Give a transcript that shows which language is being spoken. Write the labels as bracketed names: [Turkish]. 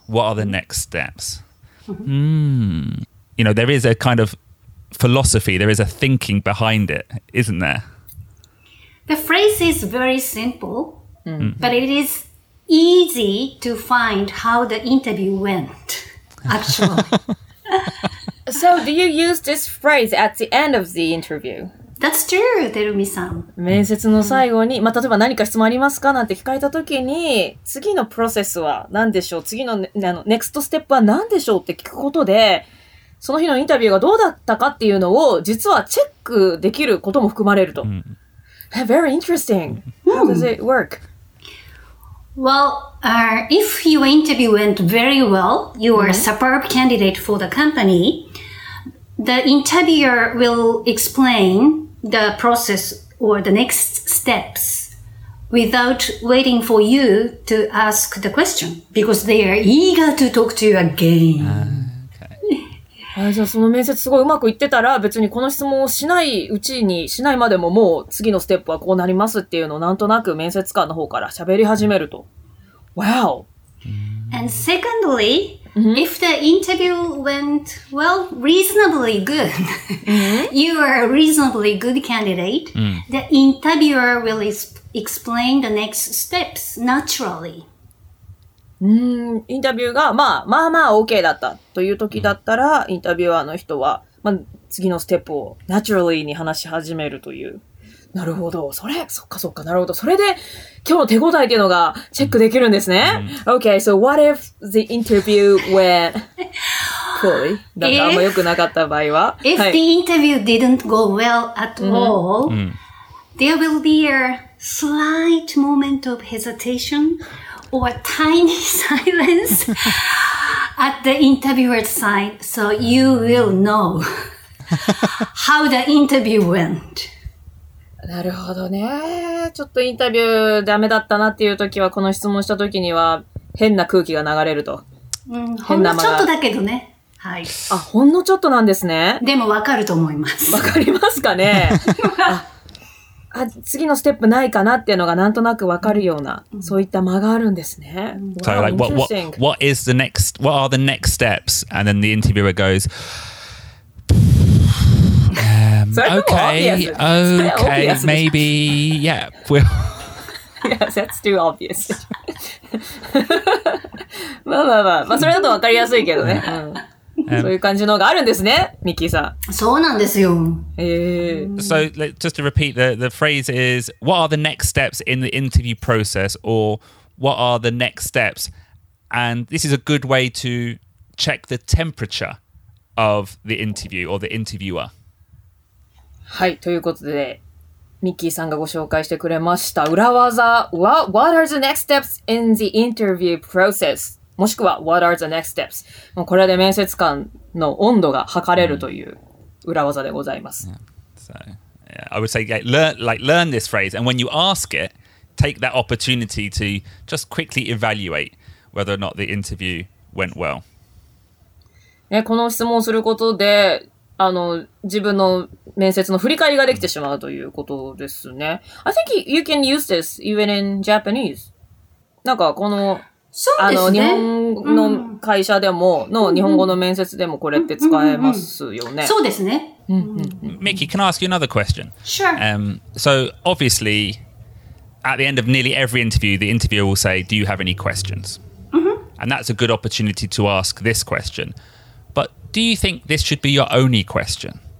[English] What are the next steps? You know, there is a kind of philosophy, there is a thinking behind it, isn't there? The phrase is very simple, but it is easy to find how the interview went, actually. So do you use this phrase at the end of the interview? That's true, Terumi-san. [Japanese] 面接の最後に、まあ、例えば何か質問ありますかなんて聞かれたときに、次のプロセスは何でしょう、次の、ね、ネクストステップは何でしょうって聞くことで、その日のインタビューがどうだったかっていうのを、実はチェックできることも含まれると。 [English] Mm. Very interesting. How does it work? Well, if your interview went very well, you are a superb candidate for the company,The interviewer will explain the process or the next steps without waiting for you to ask the question because they are eager to talk to you again. Okay. [Japanese] じゃあその面接すごいうまくいってたら別にこの質問をしないうちにしないまでももう次のステップはこうなりますっていうのをなんとなく面接官の方から喋り始めると。 [English] Wow! And secondly,If the interview went, well, reasonably good, you are a reasonably good candidate, the interviewer will explain the next steps naturally. [Japanese] インタビューが、まあ、まあまあ OK だったという時だったら、インタビュアーの人は、まあ、次のステップを naturally に話し始めるという。なるほど。それ、そっかそっか。なるほど。それで、今日の手応えっていうのがチェックできるんですね。 [English] Okay, so what if the interview went poorly? [Japanese] だからあんま良くなかった場合は [English] If the interview didn't go well at all, there will be a slight moment of hesitation or a tiny silence at the interviewer's side, so you will know how the interview went. [Japanese] なるほどね。ちょっとインタビューダメだったなっていう時は、この質問した時には変な空気が流れると。変な間が。ほんのちょっとだけどね。はい。あ、ほんのちょっとなんですね。でもわかると思います。わかりますかね。あ、次のステップないかなっていうのがなんとなくわかるような、そういった間があるんですね。 [English] So, like, what is the next, what are the next steps? And then the interviewer goes,Okay, maybe, yeah. Yes, that's too obvious. [Japanese] まあまあまあ、まあ、それだとわかりやすいけどね。そういう感じのがあるんですね、ミッキーさん。そうなんですよ。 [English] So, just to repeat, the phrase is, what are the next steps in the interview process? Or, what are the next steps? And this is a good way to check the temperature of the interview or the interviewer. [Japanese] はい、ということで、ミッキーさんがご紹介してくれました裏技は、 [English] What are the next steps in the interview process? [Japanese] もしくは、 [English] What are the next steps? [Japanese] もうこれで面接官の温度が測れるという裏技でございます。 [English] I would say, yeah, learn this phrase, and when you ask it, take that opportunity to just quickly evaluate whether or not the interview went well.、 [Japanese] ね、この質問をすることで、あの、自分の面接の振り返りができてしまうということですね。 [English] I think you can use this even in Japanese. [Japanese] なんか、この、そうですね、あの、日本の会社でも、の日本語の面接でもこれって使えますよね。そうですね。 [English] Mickey, can I ask you another question? Sure. So obviously, at the end of nearly every interview, the interviewer will say, do you have any questions? And that's a good opportunity to ask this question. But do you think this should be your only question?